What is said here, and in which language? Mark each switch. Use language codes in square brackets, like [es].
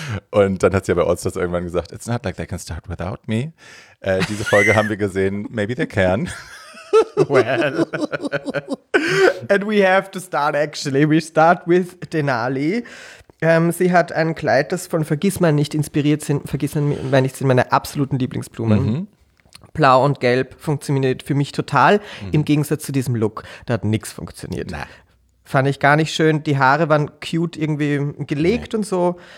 [de] Und dann hat sie ja bei Allstars irgendwann gesagt, [en] it's not like they can start without me. [de] Diese Folge haben wir gesehen, [en] maybe they can. Well, and we have to start actually. We start with Denali. [de] Sie hat ein Kleid, das von Vergissmeinnicht inspiriert sind. Vergissmeinnicht sind meine absoluten Lieblingsblumen. Mhm. Blau und Gelb funktioniert für mich total. Mhm. Im Gegensatz zu diesem Look, da hat nichts funktioniert. Na. Fand ich gar nicht schön. Die Haare waren cute irgendwie gelegt und so.